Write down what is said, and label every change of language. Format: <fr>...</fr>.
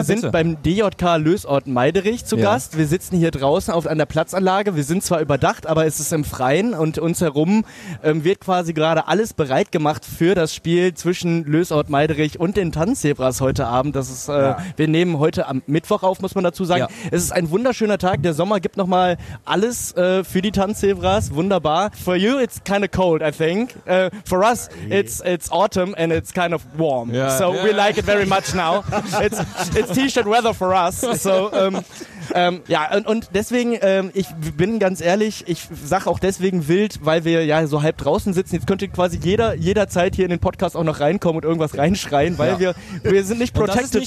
<de>Wir sind beim DJK Lösort Meiderich zu Gast, wir sitzen hier draußen an der Platzanlage, wir sind zwar überdacht, aber es ist im Freien und uns herum wird quasi gerade alles bereit gemacht für das Spiel zwischen Lösort Meiderich und den Tanzzebras heute Abend. Das ist, wir nehmen heute am Mittwoch auf, muss man dazu sagen. Ja. Es ist ein wunderschöner Tag. Der Sommer gibt nochmal alles für die Tanzzebras. Wunderbar.</de> <en>For you, it's kind of cold, I think. For us, it's autumn and it's kind of warm. Yeah. So we like it very much now. It's T-shirt weather for us.</en> <de>So, und deswegen, ich bin ganz ehrlich, ich sage auch deswegen wild, weil wir ja so halb draußen sitzen. Jetzt könnte quasi jederzeit hier in den Podcast auch noch reinkommen und irgendwas reinschreien, weil wir sind nicht protected</de>